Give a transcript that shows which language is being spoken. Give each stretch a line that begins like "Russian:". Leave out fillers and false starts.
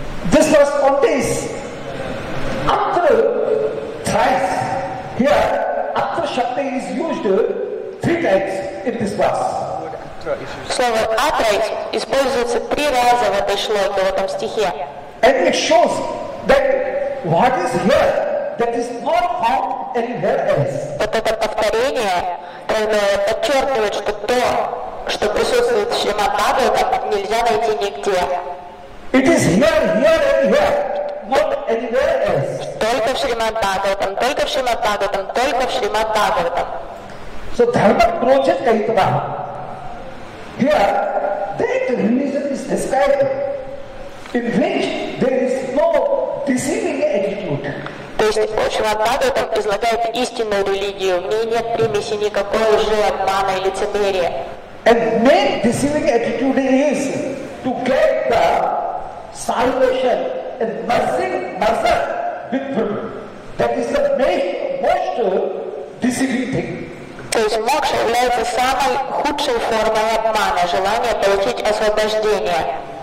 English: This was on this. After thrice, here, after shakti is used three times in this verse.
Russian: Слово атра используется три раза в этой шлоке, в этом стихе.
English: And it shows that what is here, that is not found anywhere else.
Russian: Вот это повторение подчеркивает, что то, что присутствует в Шримад Бхагаватам, нельзя найти нигде.
English: It is here, here and here, not anywhere else.
Russian: Только в Шримад Бхагаватам, только в Шримад Бхагаватам, только в Шримад Бхагаватам.
Sanskrit: So dharma prochit kaitva.
English: Here, that religion is described in which there is no deceiving attitude.
Russian: То есть Шримад Бхагаватам излагает истинную религию, в ней нет примеси никакой лжи, обмана и лицемерия.
English: And main deceiving attitude is to get the salvation and mercy with Brahma. That is the most deceiving thing.
Russian: То есть мокша является самой худшей формой обмана, желание получить освобождение.